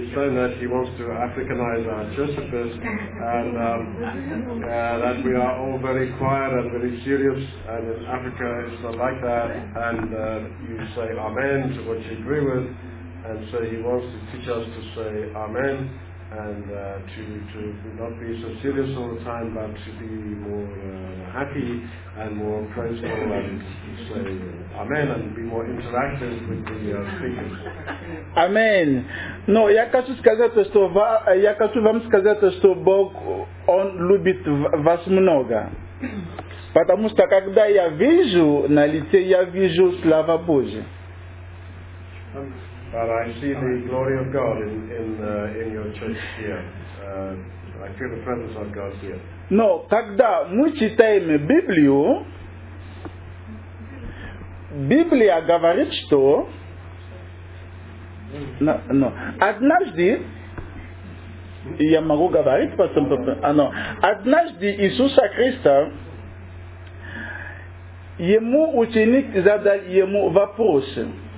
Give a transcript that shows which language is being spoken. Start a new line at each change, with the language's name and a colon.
French: dit qu'il veut africaniser notre Joseph et que nous sommes tous très quiet et très sérieux. Et en Afrique, c'est comme ça. Et vous dites Amen à ce que vous
English: agree with.
French: Et donc, il veut nous enseigner à dire Amen.
English: And to not be so serious all the time, but to be more happy and more approachable and say Amen and be more interactive with the speakers. Amen.
Russian: Но я хочу сказать, что я хочу вам сказать, что Бог он любит вас много. Потому что когда я вижу на лице, я вижу слава Божия.
English: But I see the glory of God in your church here. I feel the presence of God here.
Russian: Но когда мы читаем Библию, Библия говорит, что однажды, и я могу говорить потом, однажды Иисуса Христа, ему ученик задал ему вопросы.